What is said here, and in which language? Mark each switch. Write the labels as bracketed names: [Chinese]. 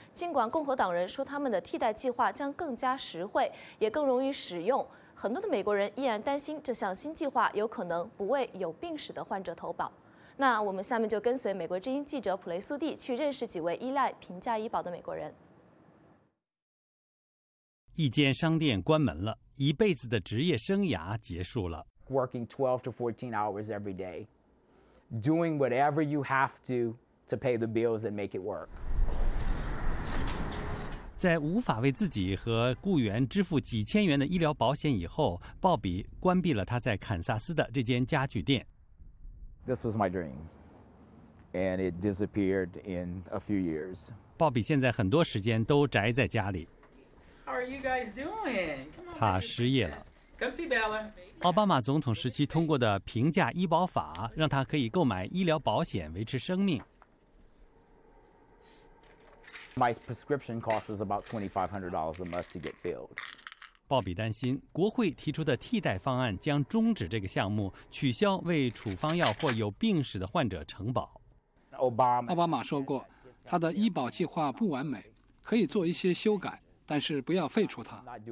[Chinese] 尽管共和党人说他们的替代计划将更加实惠，也更容易使用，很多的美国人依然担心这项新计划有可能不为有病史的患者投保。那我们下面就跟随美国之音记者普雷苏蒂去认识几位依赖平价医保的美国人。一间商店关门了，一辈子的职业生涯结束了。 [English] Working 12 to 14 hours every day, doing whatever you have to pay the bills and make it work. [Chinese] 在无法为自己和雇员支付几千元的医疗保险以后，鲍比关闭了他在堪萨斯的这间家具店。 [English] This was my dream, and it disappeared in a few years. [Chinese] 鲍比现在很多时间都宅在家里。他失业了。奥巴马总统时期通过的平价医保法让他可以购买医疗保险维持生命。 [English] My prescription costs is about $2,500 a month to get filled. [Chinese] 鲍比担心国会提出的替代方案将终止这个项目，取消为处方药或有病史的患者承保。奥巴马说过，他的医保计划不完美，可以做一些修改，但是不要废除它。